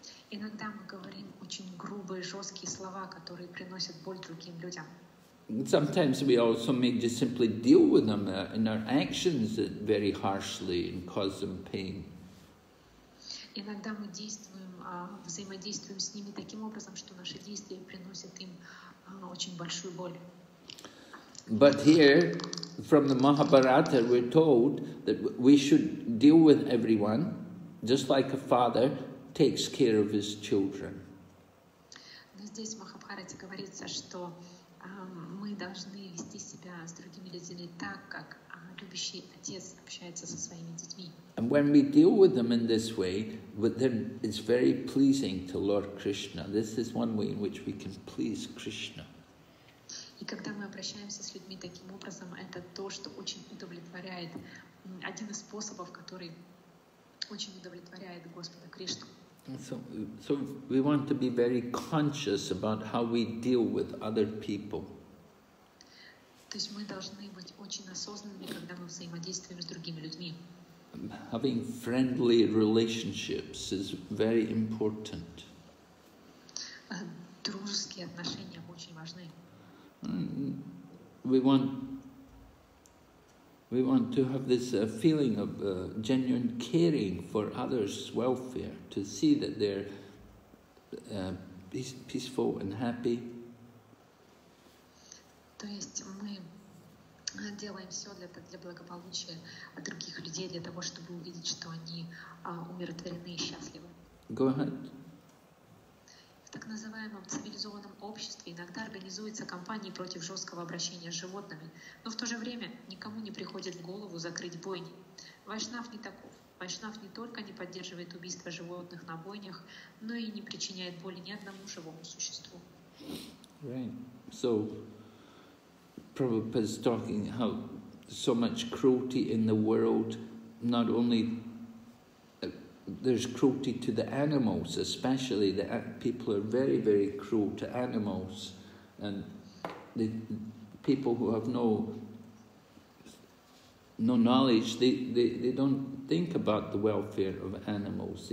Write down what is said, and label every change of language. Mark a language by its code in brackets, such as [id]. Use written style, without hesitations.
[ru] Иногда мы говорим очень грубые, жесткие слова, которые приносят боль другим людям. [en] Sometimes we also may just simply deal with them in our actions very harshly and cause them pain. [ru] Иногда мы действуем, взаимодействуем с ними таким образом, что наши действия приносят им очень большую боль. [en] But here, from the Mahabharata, we're told that we should deal with everyone just like a father takes care of his children. [ru] Но здесь в Махабхарате говорится, что мы должны вести себя с другими людьми так, как любящий отец общается со своими детьми. [en] And when we deal with them in this way, with them, it's very pleasing to Lord Krishna. This is one way in which we can please Krishna. [ru] И когда мы обращаемся с людьми таким образом, это то, что очень удовлетворяет, один из способов, который очень удовлетворяет Господа Кришну. [en] So we want to be very conscious about how we deal with other people. [ru] То есть мы должны быть очень осознанными, когда мы взаимодействуем с другими людьми. [en] Having friendly relationships is very important. [ru] Дружеские отношения очень важны. [en] We want to have this feeling of genuine caring for others' welfare, to see that they're peaceful and happy. [ru] То есть мы делаем все для благополучия других людей, для того, чтобы увидеть, что они умиротворены и счастливы. [en] Go ahead. [ru] В так называемом цивилизованном обществе иногда организуются кампании против жесткого обращения с животными, но в то же время никому не приходит в голову закрыть бойни. Вайшнав не таков. Вайшнав не только не поддерживает убийство животных на бойнях, но и не причиняет боли ни одному живому существу. [en] Right. So, Prabhupada is talking how so much cruelty in the world, not only there's cruelty to the animals, especially the people are very, very cruel to animals, and the people who have no knowledge, they don't think about the welfare of animals.